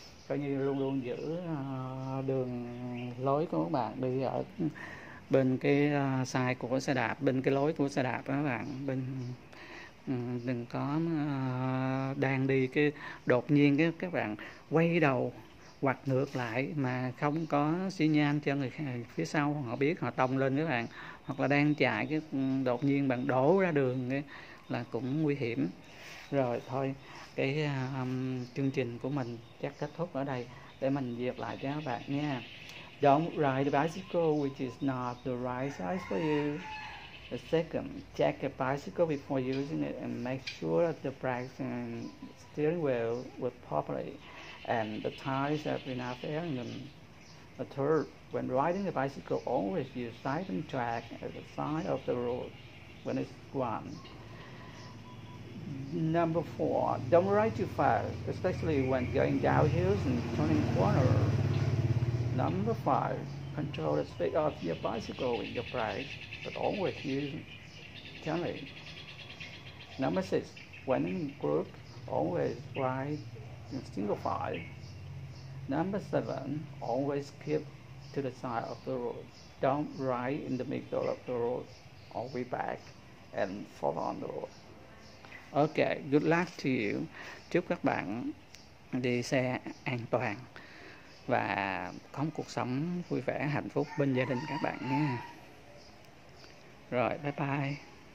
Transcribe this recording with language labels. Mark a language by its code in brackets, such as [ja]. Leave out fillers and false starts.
[vi] coi như luôn luôn giữ đường lối của bạn đi ở bên cái side của xe đạp, bên cái lối của xe đạp đó bạn, bên đừng có đang đi cái đột nhiên cái các bạn quay đầu hoặc ngược lại mà không có xi nhan cho người phía sau họ biết, họ tông lên các bạn, hoặc là đang chạy cái đột nhiên bạn đổ ra đường ấy, là cũng nguy hiểm. Rồi thôi, cái chương trình của mình chắc kết thúc ở đây để mình duyệt lại cho các bạn nha. [en] Don't ride a bicycle which is not the right size for you. The second, check a bicycle before using it and make sure that the brakes and steering wheel work properly and the tires have enough air in them. The third, when riding a bicycle, always use side and track at the side of the road when it's gone. Number four, don't ride too fast, especially when going downhills and turning corners. Number five, control the speed of your bicycle with your brakes, but always use gently. Number six, when in group, always ride in single file. Number seven, always keep to the side of the road. Don't ride in the middle of the road or way back and fall on the road. Ok, good luck to you. [vi] Chúc các bạn đi xe an toàn và có một cuộc sống vui vẻ, hạnh phúc bên gia đình các bạn nha. Rồi, bye bye.